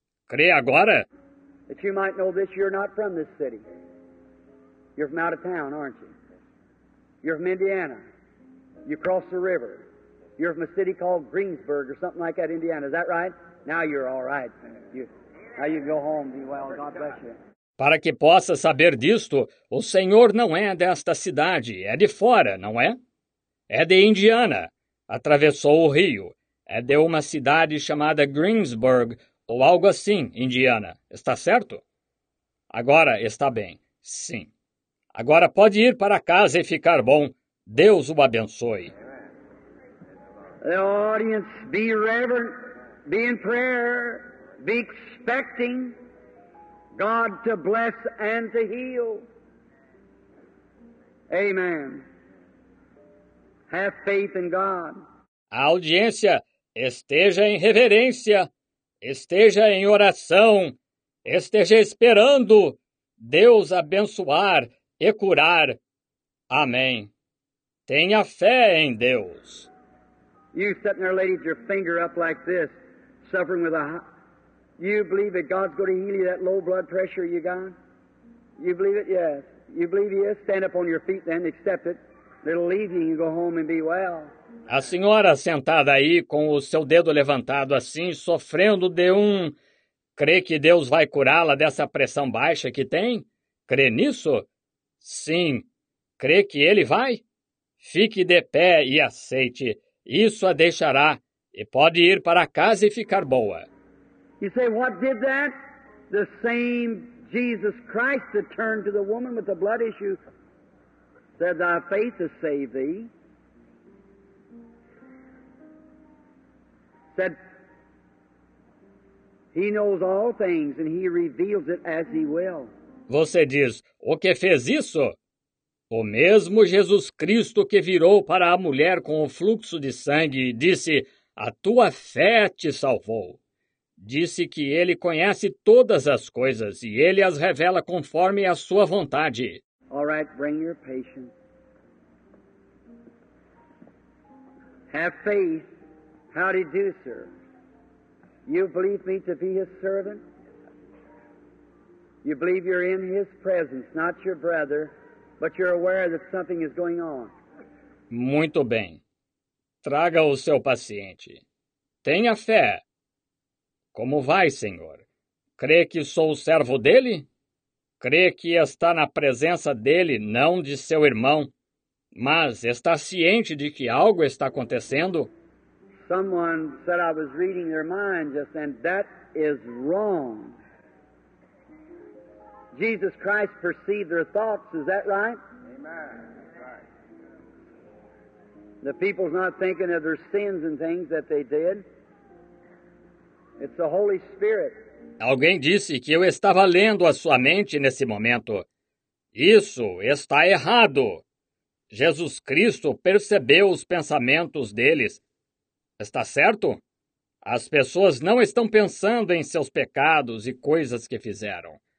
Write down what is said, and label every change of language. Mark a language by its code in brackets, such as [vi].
[pt] Crê agora? [en] That you might know this, you're not from this city. You're from out of town, aren't you? You're from Indiana. You crossed the river. You're from a city called Greensburg or something like that, Indiana. Is that right? Now you're all right. Now you can go home, be well. God bless you. [pt] Para que possa saber disto, o senhor não é desta cidade, é de fora, não é? É de Indiana. Atravessou o rio. É de uma cidade chamada Greensburg, ou algo assim, Indiana. Está certo? Agora está bem. Sim. Agora pode ir para casa e ficar bom. Deus o abençoe. [en] The audience, be reverent, be in prayer, be expecting God to bless and to heal. Amen. Have faith in God. [pt] A audiência, esteja em reverência, esteja em oração, esteja esperando Deus abençoar e curar. Amém. Tenha fé em Deus. [en] You sitting there, lady, with your finger up like this, suffering with a... You believe that God's going to heal you that low blood pressure you got? You believe it? Yes. You believe he is? Stand up on your feet then, accept it. It'll leave you and go home and be well. [pt] A senhora sentada aí com o seu dedo levantado assim, sofrendo de um... Crê que Deus vai curá-la dessa pressão baixa que tem? Crê nisso? Sim. Crê que ele vai? Fique de pé e aceite. Isso a deixará e pode ir para casa e ficar boa. [en] You say, what did that? The same Jesus Christ that turned to the woman with the blood issue said, thy faith has saved thee. Said, he knows all things and he reveals it as he will. [pt] Você diz, o que fez isso? O mesmo Jesus Cristo que virou para a mulher com o fluxo de sangue e disse, a tua fé te salvou. Disse que ele conhece todas as coisas e ele as revela conforme a sua vontade. [en] All right, bring your patience. Have faith. How do you do, sir? You believe me to be his servant? You believe you're in his presence, not your brother, but you're aware that something is going on. [pt] Muito bem. Traga o seu paciente. Tenha fé. Como vai, senhor? Crê que sou o servo dele? Crê que está na presença dele, não de seu irmão, mas está ciente de que algo está acontecendo? [en] Someone said I was reading their mind just then. That is wrong. Jesus Christ perceived their thoughts, is that right? Amen. The people's not thinking of their sins and things that they did. It's the Holy Spirit. [pt] Alguém disse que eu estava lendo a sua mente nesse momento. Isso está errado. Jesus Cristo percebeu os pensamentos deles. Está certo? As pessoas não estão pensando em seus pecados e coisas que fizeram.